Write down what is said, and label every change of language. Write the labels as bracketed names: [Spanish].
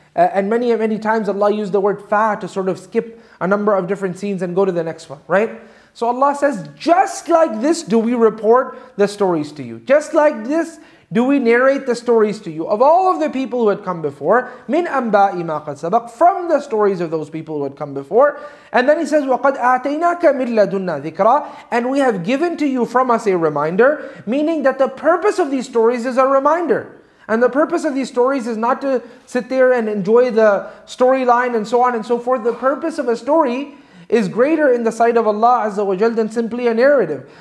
[English] And many times Allah used the word fa to sort of skip a number of different scenes and go to the next one, right? So Allah says, just like this do we report the stories to you. Just like this do we narrate the stories to you of all of the people who had come before. [Arabic] Min amba'i ma qad sabaq, [English] from the stories of those people who had come before. And then he says, [Arabic] وَقَدْ أَعْتَيْنَاكَ مِنْ لَدُنَّا ذِكْرًا. [English] And we have given to you from us a reminder, meaning that the purpose of these stories is a reminder. And the purpose of these stories is not to sit there and enjoy the storyline and so on and so forth. The purpose of a story is greater in the sight of Allah Azza wa Jal than simply a narrative.